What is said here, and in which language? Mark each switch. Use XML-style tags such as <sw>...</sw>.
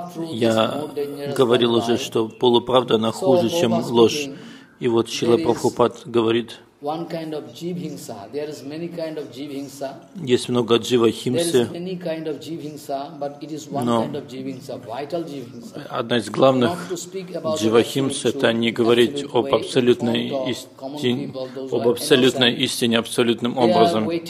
<ru>Я говорил уже, что полуправда, она хуже, чем ложь. И вот Шрила Прабхупад говорит,</ru> <en>one kind of jivhinsa. There is many kind of jivhinsa.</en> <ru>Есть много дживахимсы.</ru> <en>There is many kind of jivhinsa, but it is one kind of jivhinsa, vital jivhinsa.</en> <ru>Одна из главных дживахимс — это не говорить об абсолютной истине, об абсолютной истине абсолютным образом.</ru>